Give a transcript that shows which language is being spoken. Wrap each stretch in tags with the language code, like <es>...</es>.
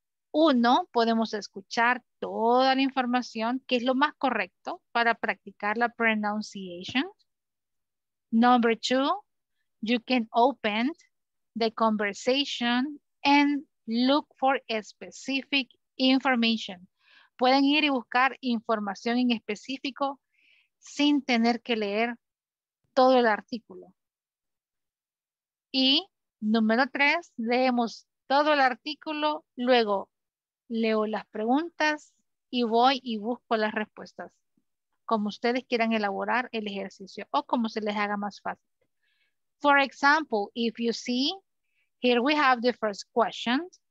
<es>Uno, podemos escuchar toda la información, que es lo más correcto para practicar la pronunciation.</es> <en>Number two, you can open the conversation and look for specific information.</en> <es>Pueden ir y buscar información en específico sin tener que leer todo el artículo. Y número tres, leemos todo el artículo, luego leo las preguntas y voy y busco las respuestas. Como ustedes quieran elaborar el ejercicio o como se les haga más fácil.</es> <en>For example, if you see, here we have the first question.</en>